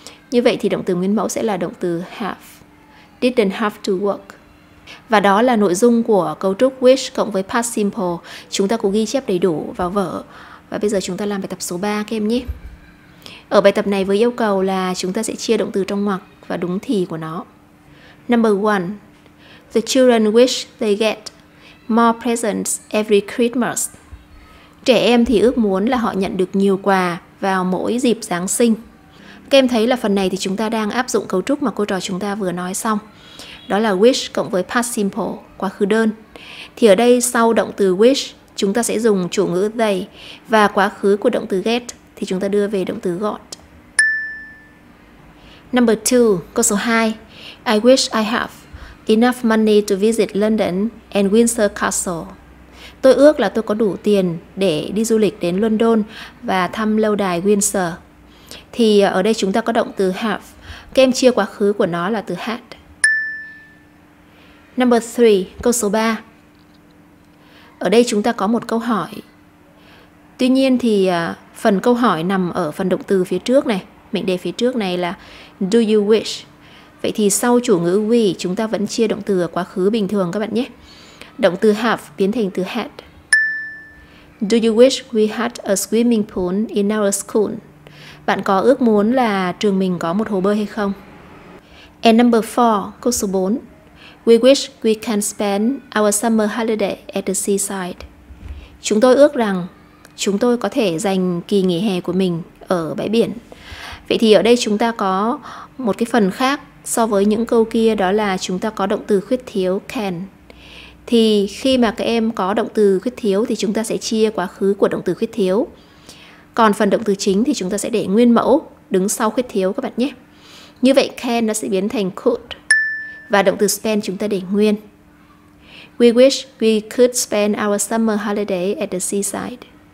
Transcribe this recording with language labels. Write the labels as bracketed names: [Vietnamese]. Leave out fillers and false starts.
[Vietnamese] Như vậy thì động từ nguyên mẫu sẽ là động từ have. [English] Didn't have to work. [Vietnamese] Và đó là nội dung của cấu trúc wish cộng với past simple. Chúng ta cũng ghi chép đầy đủ vào vở. Và bây giờ chúng ta làm bài tập số 3 các em nhé. Ở bài tập này với yêu cầu là chúng ta sẽ chia động từ trong ngoặc và đúng thì của nó. [English] Number 1. The children wish they get more presents every Christmas. [Vietnamese] Trẻ em thì ước muốn là họ nhận được nhiều quà vào mỗi dịp Giáng sinh. Các em thấy là phần này thì chúng ta đang áp dụng cấu trúc mà cô trò chúng ta vừa nói xong. Đó là wish cộng với past simple, quá khứ đơn. Thì ở đây sau động từ wish, chúng ta sẽ dùng chủ ngữ they và quá khứ của động từ get thì chúng ta đưa về động từ got. [English] Number 2, [Vietnamese] câu số 2. [English] I wish I have enough money to visit London and Windsor Castle. [Vietnamese] Tôi ước là tôi có đủ tiền để đi du lịch đến London và thăm lâu đài Windsor. Thì ở đây chúng ta có động từ have. Các em chia quá khứ của nó là từ had. [English] Number 3, [Vietnamese] câu số 3. Ở đây chúng ta có một câu hỏi. Tuy nhiên thì phần câu hỏi nằm ở phần động từ phía trước này. Mệnh đề phía trước này là do you wish. Vậy thì sau chủ ngữ we, chúng ta vẫn chia động từ ở quá khứ bình thường các bạn nhé. Động từ have biến thành từ had. [English] Do you wish we had a swimming pool in our school? [Vietnamese] Bạn có ước muốn là trường mình có một hồ bơi hay không? [English] And number 4, [Vietnamese] câu số 4. [English] We wish we can spend our summer holiday at the seaside. [Vietnamese] Chúng tôi ước rằng chúng tôi có thể dành kỳ nghỉ hè của mình ở bãi biển. Vậy thì ở đây chúng ta có một cái phần khác so với những câu kia, đó là chúng ta có động từ khuyết thiếu can. Thì khi mà các em có động từ khuyết thiếu thì chúng ta sẽ chia quá khứ của động từ khuyết thiếu. Còn phần động từ chính thì chúng ta sẽ để nguyên mẫu đứng sau khuyết thiếu các bạn nhé. Như vậy can nó sẽ biến thành could. Và động từ spend chúng ta để nguyên. [English] We wish we could spend our summer holiday at the seaside.